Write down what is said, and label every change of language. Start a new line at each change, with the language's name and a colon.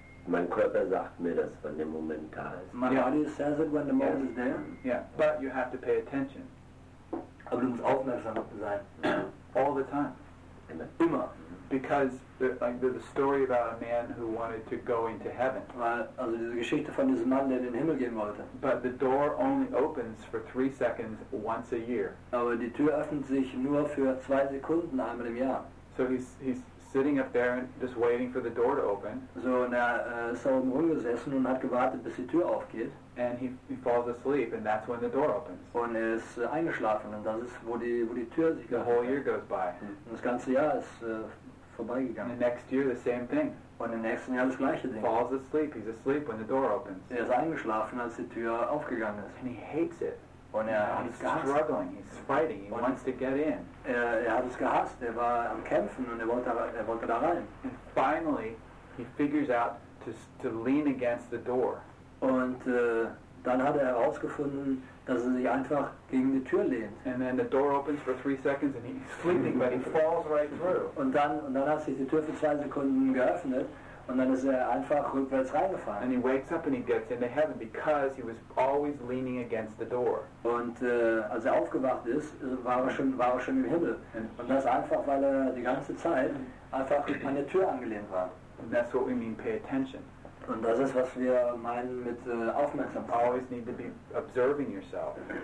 German: Mein Körper sagt mir das, wenn der Moment da ist.
English: My body says it when the moment is there. Yeah, but you have to pay attention.
German: Aber du musst aufmerksam sein.
English: All the time.
German: Immer.
English: Because there's a story about a man who wanted to go into heaven.
German: Also diese Geschichte von diesem Mann, der in den Himmel gehen wollte.
English: But the door only opens for 3 seconds once a year.
German: Aber die Tür öffnet sich nur für 2 Sekunden einmal im Jahr.
English: So he's sitting up there and just waiting for the door to open.
German: So ist er oben rumgesessen und hat gewartet, bis die Tür aufgeht.
English: And he falls asleep, and that's when the door opens.
German: Und ist eingeschlafen, und das ist, wo die Tür sich geöffnet.
English: The whole year goes by.
German: Und das ganze Jahr ist vorbeigegangen.
English: And the next year, the same thing.
German: Und im nächsten Jahr das gleiche Ding.
English: Falls asleep, he's asleep when the door opens.
German: Er ist eingeschlafen, als die Tür aufgegangen ist.
English: And he hates it.
German: Und
English: he's struggling, he's fighting, he wants to get in.
German: Er hat es gehasst, er war am Kämpfen und er wollte da rein.
English: And finally, he figures out to lean against the door.
German: Und dann hat er herausgefunden, dass er sich einfach gegen die Tür lehnt.
English: And then the door opens for 3 seconds and he's sleeping, but he falls right through.
German: Und dann hat sich die Tür für 2 Sekunden geöffnet und dann ist er einfach rückwärts reingefallen.
English: And he wakes up and he gets into heaven because he was always leaning against the door.
German: Und als er aufgewacht ist, war er schon im Himmel. Und das einfach, weil er die ganze Zeit einfach an der Tür angelehnt war.
English: And that's what we mean, pay attention.
German: Und das ist, was wir meinen mit Aufmerksamkeit.
English: You always need to be observing yourself.